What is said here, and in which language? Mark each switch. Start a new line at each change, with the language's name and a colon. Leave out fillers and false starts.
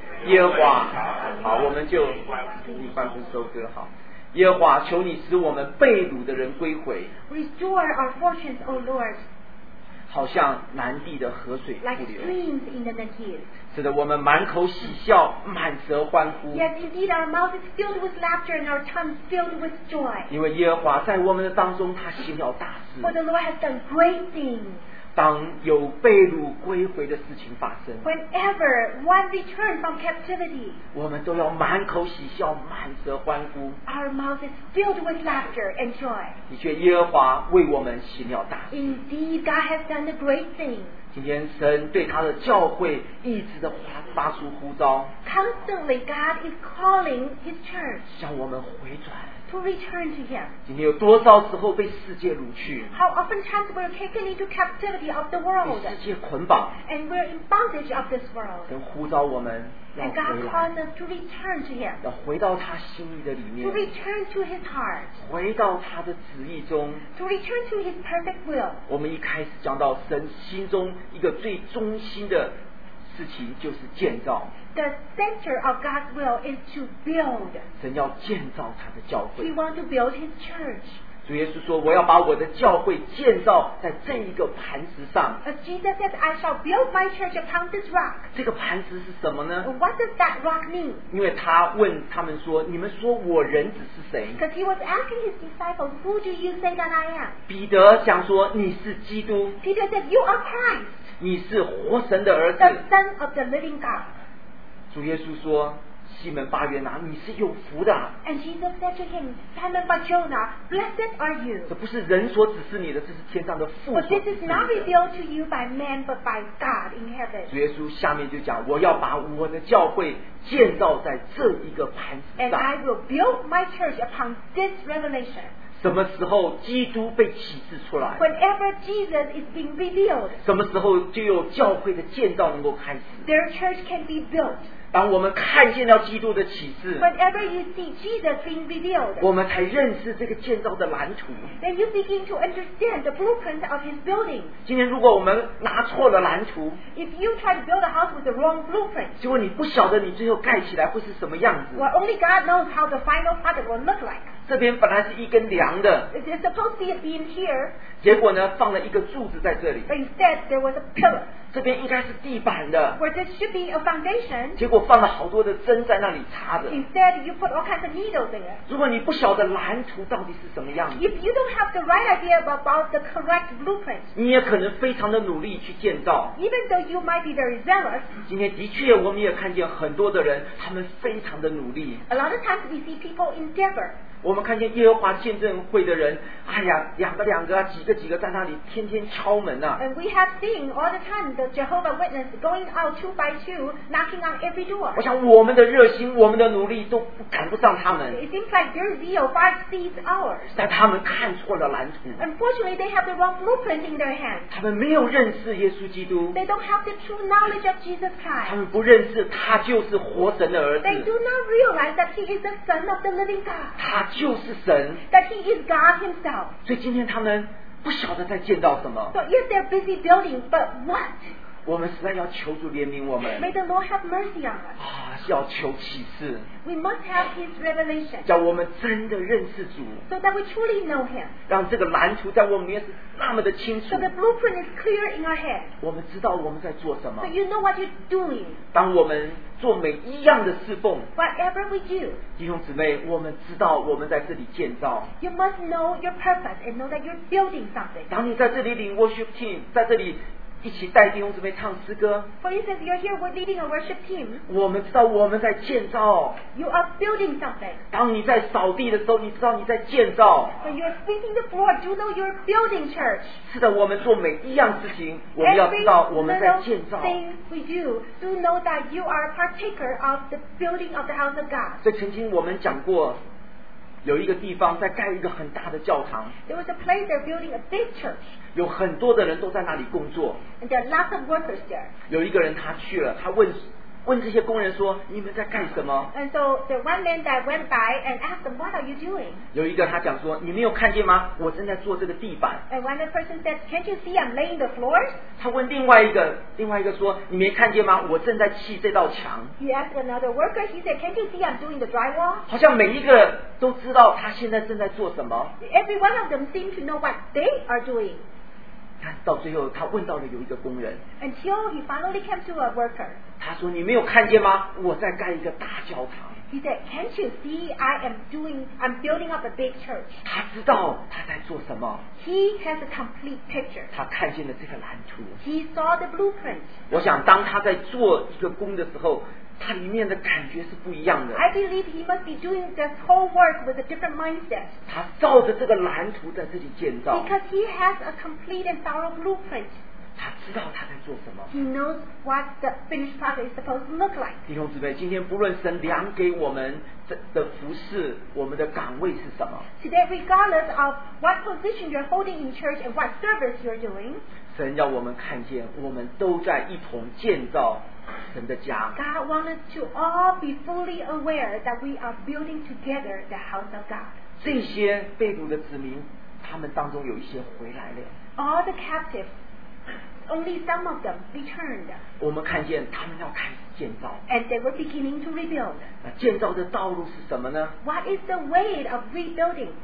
Chinese: 耶和华，好，我们就给你欢呼收割。好，耶和华，求你使我们被掳的人归回。
English: Restore our fortunes, O Lord.
Chinese: 好像南地的河水复流。
English: Like streams in the Negev.
Chinese: 使得我们满口喜笑，满舌欢呼。
English: Yes, indeed, our mouth is filled with laughter and our tongue filled with joy.
Chinese: 因为耶和华在我们的当中，他行了大事。
English: For the Lord has done great things.
Chinese: 当有被掳归回的事情发生
English: whenever one returns from captivity
Chinese: 我们都要满口喜笑满舌欢呼
English: our mouth is filled with laughter and joy
Chinese: 的确耶和华为我们行了大事
English: indeed God has done a great thing
Chinese: 今天神对他的教会一直的发出呼召
English: constantly God is calling his church
Chinese: 向我们回转
English: To return to him.
Chinese: 今天有多少时候被世界掳去
English: How often times we're taken into captivity of the world?
Chinese: 被世界捆绑
English: And we're in bondage of this world.
Chinese: 神呼召我们
English: And God calls us to return to him.
Chinese: 要回到他心意的里面
English: To return to his heart.
Chinese: 回到他的旨意中
English: To return to his perfect will.
Chinese: 我们一开始讲到神心中一个最忠心的事情就是建造
English: The center of God's will is to build
Chinese: 神要建造他的教会
English: He wants to build his church
Chinese: 主耶稣说我要把我的教会建造在这一个磐石上
English: As Jesus said I shall build my church upon this rock
Chinese: 这个磐石是什么呢
English: What does that rock mean?
Chinese: 因为他问他们说你们说我人子是谁
English: Because he was asking his disciples Who do you say that I am?
Chinese: 彼得想说你是基督
English: Peter said you are Christ
Chinese: 你是活神的儿子
English: The son of the living God
Chinese: 主耶稣说西门巴约拿你是有福的
English: And Jesus said to him Simon Barjona Blessed are you
Chinese: 这不是人所指示你的这是天上的父所指示你的
English: But this is not revealed to you by man but by God in heaven
Chinese: 主耶稣下面就讲我要把我的教会建造在这一个磐石上
English: And I will build my church upon this revelation
Chinese: 什么时候基督被启示出来
English: Whenever Jesus is being revealed
Chinese: 什么时候就有教会的建造能够开始
English: Their church can be built
Chinese: 当我们看见到基督的启示
English: Whenever you see Jesus being revealed
Chinese: 我们才认识这个建造的蓝图
English: Then you begin to understand the blueprint of his building
Chinese: 今天如果我们拿错了蓝图
English: If you try to build a house with the wrong blueprint
Chinese: 结果你不晓得你最后盖起来会是什么样子
English: Well, only God knows how the final product will look like
Chinese: 这边本来是一根梁的
English: It's supposed to be a beam here
Chinese: 结果呢放了一个柱子在这里
English: But instead there was a pillar
Chinese: 这边应该是地板的
English: Where there should be a foundation
Chinese: 结果放了好多的针在那里插着
English: Instead you put all kinds of needles there
Chinese: 如果你不晓得蓝图到底是什么样子
English: If you don't have the right idea about the correct blueprint
Chinese: 你也可能非常的努力去建造
English: Even though you might be very zealous
Chinese: 今天的确我们也看见很多的人他们非常的努力
English: A lot of times we see people endeavor
Chinese: 我们看见耶和华见证会的人哎呀两个两个几个几个在那里天天敲门啊
English: And we have seen all the time the Jehovah Witness going out two by two knocking on every door
Chinese: 我想我们的热心我们的努力都赶不上他们
English: It seems like their zeal far exceeds ours
Chinese: 但他们看错了蓝图
English: Unfortunately they have the wrong blueprint in their hands
Chinese: 他们没有认识耶稣基督
English: They don't have the true knowledge of Jesus Christ
Chinese: 他们不认识他就是活神的儿子
English: They do not realize that he is the son of the living God
Chinese: 他就是神
English: that he is God himself
Chinese: 所以今天他们不晓得在建造什么
English: so yes they're busy building but what
Chinese: 我们实在要求主怜悯我们
English: may the Lord have mercy on us
Chinese: 啊，要求启示
English: we must have his revelation
Chinese: 叫我们真的认识主
English: so that we truly know him
Chinese: 让这个蓝图在我们面前那么的清楚
English: so the blueprint is clear in our head
Chinese: 我们知道我们在做什么
English: so you know what you're doing
Chinese: 当我们做每一样的侍奉
English: Whatever we do
Chinese: 弟兄姊妹我们知道我们在这里建造
English: You must know your purpose and know that you're building something
Chinese: 当你在这里领 worship team 在这里一起带弟兄姊妹唱诗歌
English: For instance you're here we're leading a worship team
Chinese: 我们知道我们在建造
English: You are building something
Chinese: 当你在扫地的时候你知道你在建造
English: When you're sweeping the floor you know you're building church
Chinese: 是的我们做每一样事情我们要知道我们在建造
English: Every little thing we do do know that you are a partaker of the building of the house of God
Chinese: 所以曾经我们讲过有一个地方在盖一个很大的教堂
English: There was a place they're building a big church
Chinese: 有很多的人都在那里工作
English: And there are lots of workers there
Chinese: 有一个人他去了他问这些工人说你们在干什么
English: And so the one man that went by and asked them what are you doing
Chinese: 有一个他讲说你没有看见吗我正在做这个地板
English: And one person said can't you see I'm laying the floors
Chinese: 他问另外一个说你没看见吗我正在砌这道墙
English: He asked another worker he said can't you see I'm doing the drywall
Chinese: 好像每一个都知道他现在正在做什么
English: Every one of them seemed to know what they are doing
Chinese: 看到最后他问到了有一个工人
English: Until he finally came to a worker
Chinese: 他说你没有看见吗我在盖一个大教堂
English: He said, "Can't you see? I'm building up a big church."
Chinese: 他知道他在做什么。
English: He has a complete picture.
Chinese: 他看见了这个蓝图。
English: He saw the blueprint.
Chinese: 我想当他在做一个工的时候，他里面的感觉是不一样的。
English: I believe he must be doing this whole work with a different mindset.
Chinese: 他照着这个蓝图在这里建造。
English: Because he has a complete and thorough blueprint.
Chinese: 他知道他在做什么。
English: He knows what the finished product is supposed to look like.
Chinese: 弟兄姊妹，今天不论神量给我们的服事，我们的岗位是什么。
English: Today, regardless of what position you're holding in church and what service you're doing,
Chinese: 神要我们看见，我们都在一同建造神的家。
English: God wants us to all be fully aware that we are building together the house of God.
Chinese: 这些被掳的子民，他们当中有一些回来了。
English: All the captives. Only some of them returned.
Chinese: 我们看见他们要开始建造。
English: And they were beginning to rebuild.
Chinese: 那建造的道路是什么呢？
English: What is the way of rebuilding?